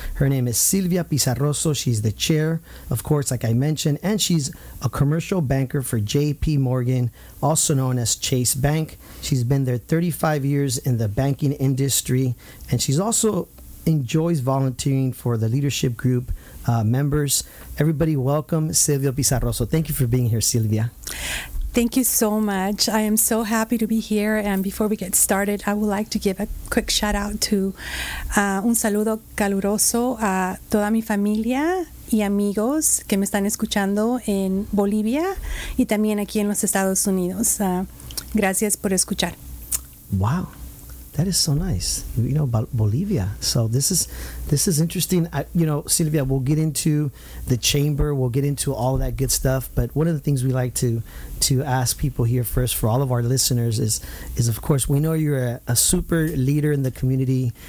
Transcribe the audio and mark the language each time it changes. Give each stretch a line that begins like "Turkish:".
English: Her name is Sylvia Pizarroso. She's the chair, of course, like I mentioned, and she's a commercial banker for JP Morgan, also known as Chase Bank. She's been there 35 years in the banking industry, and she's also enjoys volunteering for the leadership group members. Everybody, welcome Sylvia Pizarroso. Thank you for being here, Sylvia. Thank you so much. I am so happy to be here. And before we get started, I would like to give a quick shout out to
Spanish: un saludo caluroso a toda mi familia y amigos que me están escuchando en Bolivia y también aquí en los Estados Unidos. Gracias por escuchar.
English: Wow. That is so nice, you know, Bolivia. So this is interesting. Sylvia, we'll get into the chamber. We'll get into all that good stuff. But one of the things we like to ask people here first for all of our listeners is of course, we know you're a super leader in the community.